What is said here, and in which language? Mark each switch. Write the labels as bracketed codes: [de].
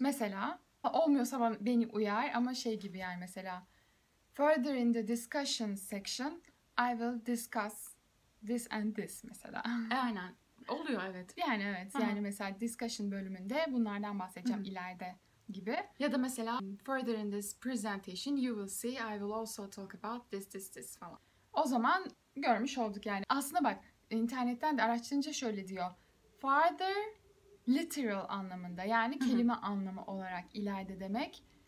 [tr] Mesela olmuyorsa beni uyar ama şey gibi yani mesela [en] further in the discussion section I will discuss this and this mesela. [tr] Aynen. Oluyor evet. Yani evet. Aha. Yani mesela discussion bölümünde bunlardan bahsedeceğim ileride gibi. Ya da mesela [en] further in this presentation you will see I will also talk about this this this falan. [tr] O zaman görmüş olduk yani. Aslında bak internetten de araştırınca şöyle diyor. Farther, literal anlamında yani kelime anlamı olarak ileride demek.